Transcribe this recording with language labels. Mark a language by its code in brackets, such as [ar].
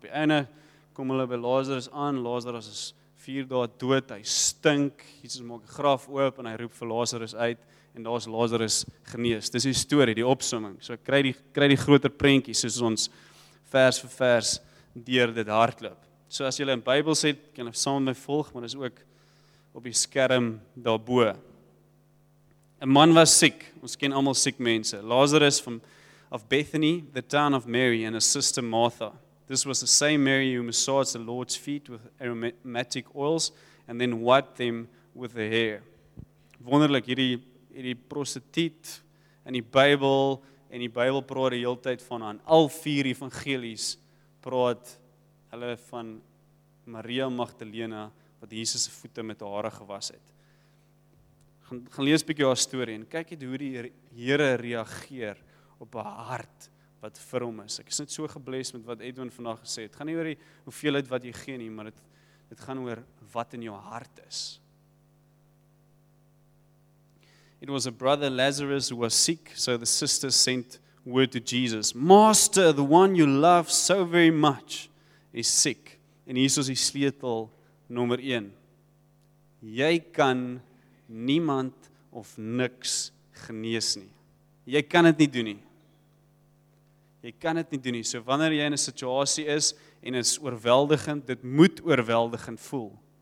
[af] Op die einde kom hulle by Lazarus aan, Lazarus is 4 dae dood, hy stink, Jesus maak die graf oop en hy roep vir Lazarus uit en daar is Lazarus genees. Dis die story, die opsomming. So kry die groter prentjie soos ons vers vir vers deur dit hardloop. So as julle 'n Bybel het, kan jy saam met my volg, maar dis ook op die skerm daarbo. 'N man was siek, ons ken almal siek mense. [en] Lazarus of Bethany, the town of Mary, and his sister Martha. This was the same Mary who massaged the Lord's feet with aromatic oils and then wiped them with her hair. [af] Wonderlik, hierdie prostituut in die Bybel, en die Bybel praat die hele tyd van aan. Al 4 evangelies praat hulle van Maria Magdalena, wat Jesus se voete met haar hare gewas het. Gaan lees 'n bietjie haar storie en kyk het hoe die Here reageer op 'n hart wat vir hom is. Ek is net so gebles met wat Edwin vandag gesê het. Het gaan nie oor die hoeveelheid wat jy gee nie, maar dit Dit gaan oor wat in jou hart is. [en] It was a brother Lazarus who was sick, so the sister sent word to Jesus. Master, the one you love so very much is sick. [af] En hier is die sleutel nommer 1. Jy kan niemand of niks genees nie. Jy kan dit nie doen nie. Jy kan dit nie doen nie. So wanneer jy in 'n situasie is en is oorweldigend, dit moet oorweldigend voel.